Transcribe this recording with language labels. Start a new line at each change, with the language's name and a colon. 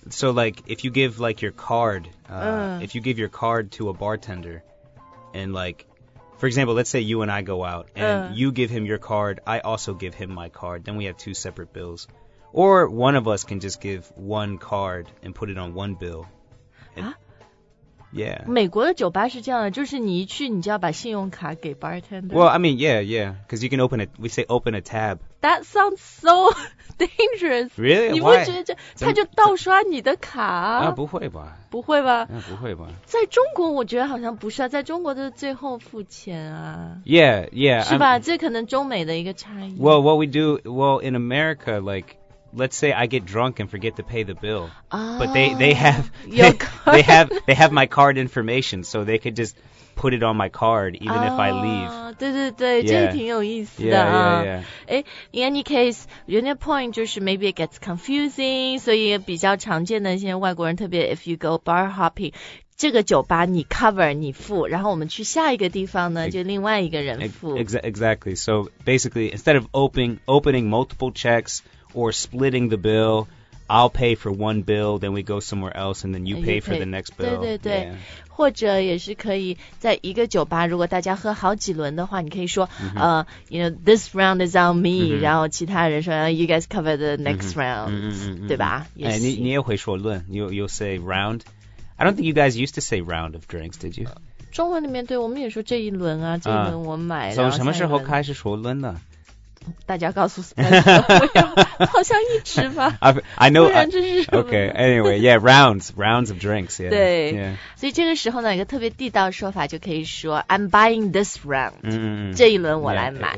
English: So, like, if you give, like, your card, if you give your card to a bartender and, like,For example, let's say you and I go out, and you give him your card, I also give him my card, then we have two separate bills. Or one of us can just give one card and put it on one bill. Yeah.
Chinese: 美国的酒吧是这样的，就是你一去，你就要把信用卡给 bartender.
English: Well, I mean, yeah, yeah, because you can open it, we say open a tab. That sounds so dangerous. Really?
Chinese: 你不觉得他就盗刷你的卡？不会吧。不会吧、不会吧。在中国我觉得好像不是啊，在中国的最后付钱啊。
English: Yeah, yeah.
Chinese: 是吧？这可能中美的一个差异。
English: Well, what we do, well, in America, like,Let's say I get drunk and forget to pay the bill, but they have my card information, so they could just put it on my card even if I leave.
Chinese: 对对对，这也挺有意思的啊。
English: In any case, your point
Chinese: 就是
English: maybe it gets confusing,
Chinese: 所以比较常见的现在外国人特别
English: if you go bar hopping.
Chinese: 这个酒吧你 cover 你付然后我们去下一个地方呢就另外一个人付
English: Exactly So basically instead of opening multiple checks or splitting the bill I'll pay for one bill then we go somewhere else and then you pay for the next bill
Chinese: 对对对、yeah. 或者也是可以在一个酒吧如果大家喝好几轮的话你可以说、mm-hmm.
English: You know this round is on me、mm-hmm.
Chinese: 然后其他人说
English: You guys cover the next round、 mm-hmm.
Chinese: 对吧、哎、你也会说论
English: You'll say roundI don't think you guys used to say round of drinks, did you?
Chinese: 中文里面对我们也说这一轮啊这一轮我买从什么时候开始说轮呢大家告诉 Spencer, 好像一直吧
English: I know,
Chinese: 不然这是什么
English: Okay, anyway, yeah, rounds of drinks, yeah.
Chinese: 对 yeah. 所以这个时候呢一个特别地道的说法就可以说
English: I'm buying this round,、
Chinese: 这一轮我来买